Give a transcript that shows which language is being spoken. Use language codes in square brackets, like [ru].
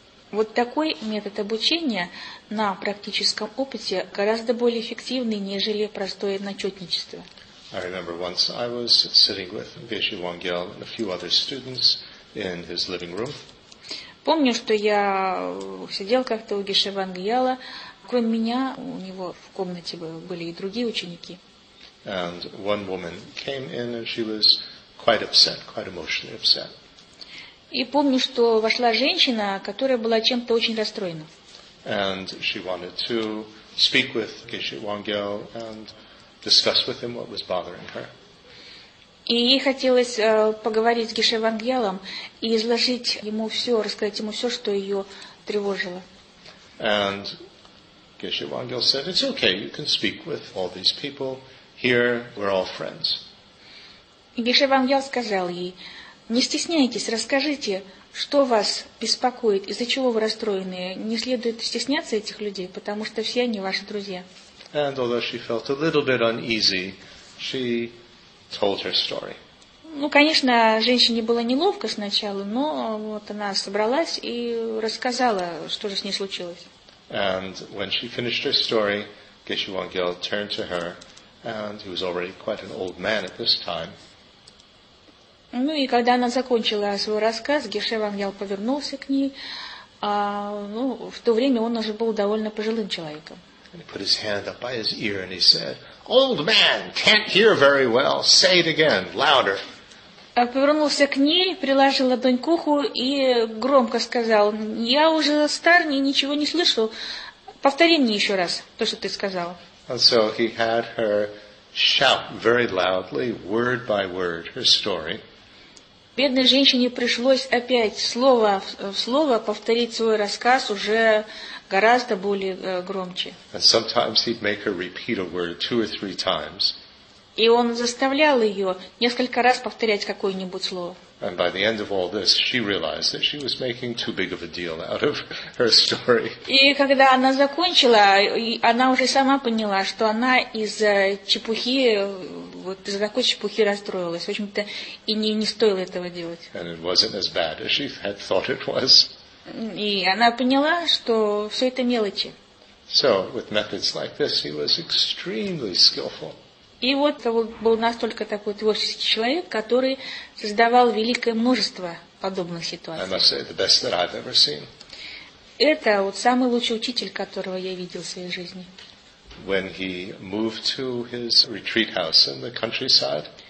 [ru] Вот такой метод обучения на практическом опыте гораздо более эффективный, нежели простое начетничество. [en] I remember once I was sitting with Vishu Wangyal and a few other students in his living room. [ru] Помню, что я сидел как-то у Гиши Вангьяла. Кроме меня, у него в комнате были и другие ученики. [en] And one woman came in, and she was quite upset, quite emotionally upset. [ru] И помню, что вошла женщина, которая была чем-то очень расстроена. [en] And she wanted to speak with Gishi Wangyal and discuss with him what was bothering her. [ru] И ей хотелось поговорить с Гиши Вангьялом и изложить ему все, рассказать ему все, что ее тревожило. [en] And Gishi Wangyal said, "It's okay, you can speak with all these people. Here, we're all friends." [ru] Гиши Вангьял сказал ей: "Не стесняйтесь, расскажите, что вас беспокоит, из-за чего вы расстроены. Не следует стесняться этих людей, потому что все они ваши друзья." [en] And although she felt a little bit uneasy, she told her story. [ru] Ну, конечно, женщине было неловко сначала, но вот она собралась и рассказала, что же с ней случилось. [en] And when she finished her story, Gishi Wangyal turned to her, and he was already quite an old man at this time. [ru] Ну и когда она закончила свой рассказ, Гиши Вангьял повернулся к ней. Ну, в то время он уже был довольно пожилым человеком. [en] And he put his hand up by his ear and he said, "Old man, can't hear very well. Say it again, louder." [ru] Повернулся к ней, приложил ладонь к уху и громко сказал: "Я уже стар, ничего не слышу. Повтори мне еще раз то, что ты сказал." [en] And so he had her shout very loudly, word by word, her story. [ru] Бедной женщине пришлось опять слово в слово повторить свой рассказ уже гораздо более громче. [en] And sometimes he'd make her repeat a word two or three times. [ru] И он заставлял ее несколько раз повторять какое-нибудь слово. [en] And by the end of all this, she realized that she was making too big of a deal out of her story. [ru] И когда она закончила, она уже сама поняла, что она из-за чепухи, вот из-за такой чепухи расстроилась. В общем-то, и не стоило этого делать. [en] And it wasn't as bad as she had thought it was. [ru] И она поняла, что все это мелочи. [en] So, with methods like this, he was extremely skillful. [ru] И вот был настолько такой творческий человек, который создавал великое множество подобных ситуаций. [en] I must say, the best that I've ever seen. [ru] Это вот самый лучший учитель, которого я видел в своей жизни. [en] When he moved to his retreat house in the countryside.